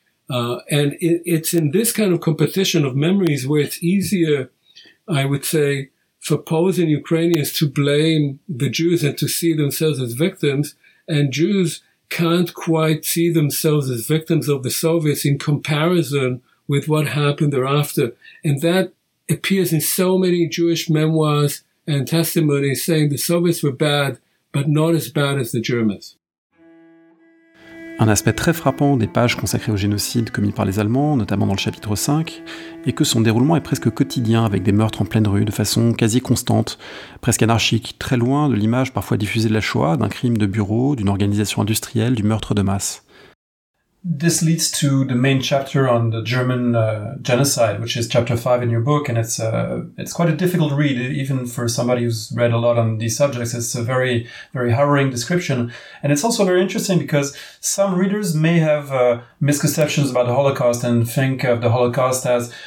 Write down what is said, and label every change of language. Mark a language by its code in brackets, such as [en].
[en] And it's in this kind of competition of memories where it's easier, I would say, for Poles and Ukrainians to blame the Jews and to see themselves as victims, and Jews can't quite see themselves as victims of the Soviets in comparison with what happened thereafter. And that appears in so many Jewish memoirs and testimonies saying the Soviets were bad, but not as bad as the Germans. [fr] Un aspect très frappant des pages consacrées au génocide commis par les Allemands, notamment dans le chapitre 5, est que son déroulement est presque quotidien avec des meurtres en pleine rue, de façon quasi constante, presque anarchique, très loin de l'image parfois diffusée de la Shoah, d'un crime de bureau, d'une organisation industrielle, du meurtre de masse. [en] This leads to the main chapter on the German genocide, which is chapter 5 in your book, and it's quite a difficult read, even for somebody who's read a lot on these subjects. It's a very, very harrowing description. And it's also very interesting because some readers may have misconceptions about the Holocaust and think of the Holocaust as